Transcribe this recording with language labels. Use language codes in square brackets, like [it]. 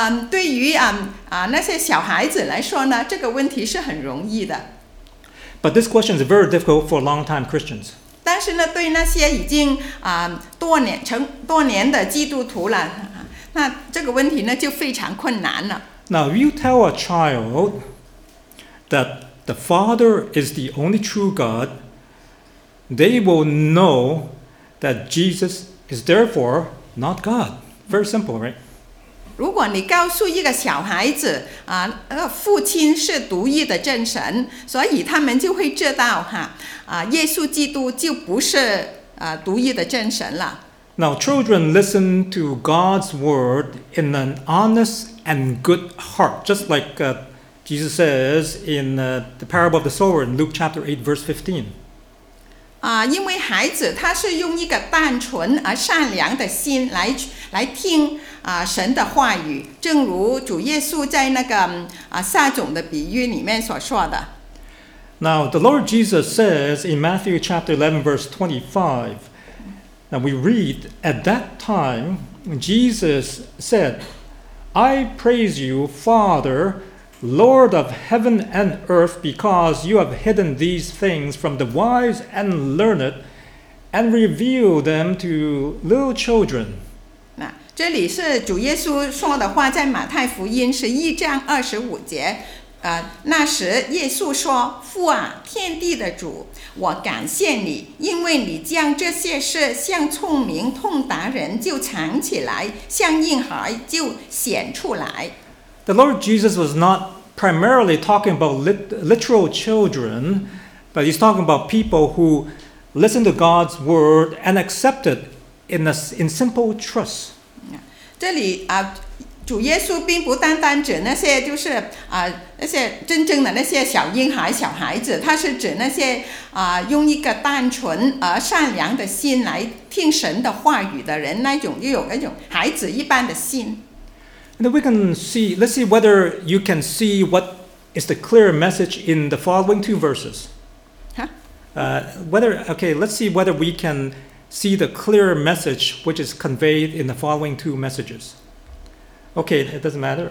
[zh] 对于那些小孩子来说呢，这个问题是很容易的。 [en] But this question is very difficult for long-time Christians. [zh] 但是呢，对那些已经多年的基督徒了，那这个问题呢就非常困难了。 [en] Now, if you tell a child that the Father is the only true God, they will know that Jesus is therefore not God. Very simple, right? [zh] 如果你告诉一个小孩子父亲是独一的真神，所以他们就会知道耶稣基督就不是独一的真神了。 [en] Now, children listen to God's word in an honest and good heart, just like Jesus says in the parable of the sower in Luke chapter 8, verse 15. [zh] 因为孩子他是用一个单纯而善良的心来听神的话语，正如主耶稣在那个撒种的比喻里面所说的。 [en] Now, the Lord Jesus says in Matthew chapter 11, verse 25, that we read, at that time, Jesus said, I praise you, Father, Lord of heaven and earth, because you have hidden these things from the wise and learned and revealed them to little children. [zh] 这里是主耶稣说的话，在马太福音11章25节那时耶稣说，父啊，天地的主，我感谢你，因为你将这些事向聪明通达人就藏起来，向婴孩就显出来。 [en] The Lord Jesus was not primarily talking about literal children, but he's talking about people who listened to God's word and accepted in simple trust. [zh] 这里主耶稣并不单单指那些就是那些真正的那些小婴孩小孩子，他是指那些用一个单纯而善良的心来听神的话语的人，那种又有那种孩子一般的心。 [en] And we can see, let's see whether you can see what is the clear message in the following two verses. Let's see whether we canSee the clear message which is conveyed in the following two messages. Okay, it doesn't matter.